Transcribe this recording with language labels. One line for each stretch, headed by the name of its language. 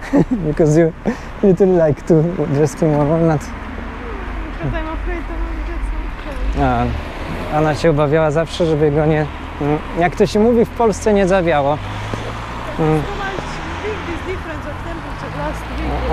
English: Because you little like to dress him warm, or not. Because I'm afraid to not dress him warm.
Polish: Ona się obawiała zawsze, żeby go nie... Jak to się mówi, w Polsce nie zawiało.
English: Big difference of temperature last week.